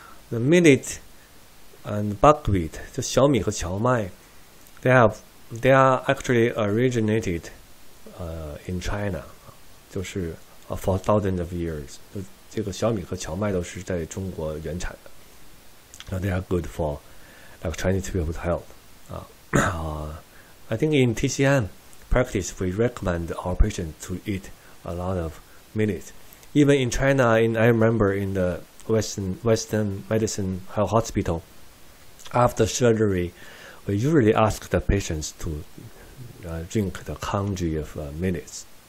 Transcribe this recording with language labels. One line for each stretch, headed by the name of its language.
English: The millet and buckwheat,
Chinese: 就小米和荞麦
English: ,they are actually originated, in China,
Chinese: 就是
English: for thousands of years.
Chinese: 这个小米和荞麦都是在中国原产的。
English: Now they are good for like Chinese people's health. I think in TCM practice, we recommend our patients to eat a lot of millet. Even in China, I remember in the Western Medicine Health Hospital, after surgery, we usually ask the patients to drink the congee of millet.